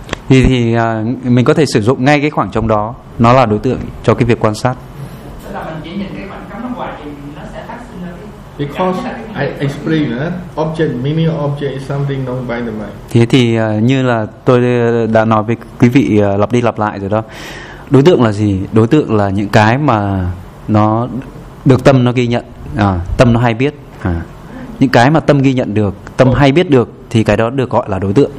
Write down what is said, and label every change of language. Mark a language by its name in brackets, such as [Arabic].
[Vietnamese] Thì mình có thể sử dụng ngay cái khoảng trống đó, nó là đối tượng cho cái việc quan sát. [English] Because I explain, object, meaning of object is something known by the mind. [Vietnamese] Thế thì như là tôi đã nói với quý vị lặp đi lặp lại rồi đó. Đối tượng là gì? Đối tượng là những cái mà nó được tâm nó ghi nhận, tâm nó hay biết. Những cái mà tâm ghi nhận được, tâm hay biết được thì cái đó được gọi là đối tượng.